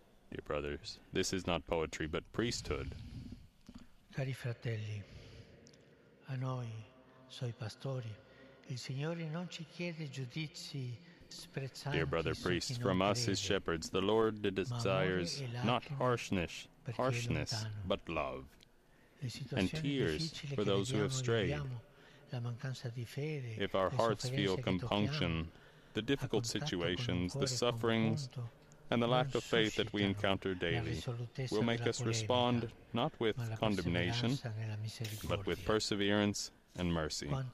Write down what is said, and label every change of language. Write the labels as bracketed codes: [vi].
[en] Dear brothers, this is not poetry, but priesthood. [it] Cari fratelli, a noi, suoi pastori, il Signore non ci chiede giudizi. [en] Dear brother priests, from us, his shepherds, the Lord desires not harshness, but love, and tears for those who have strayed. If our hearts feel compunction, the difficult situations, the sufferings, and the lack of faith that we encounter daily will make us respond not with condemnation, but with perseverance and mercy.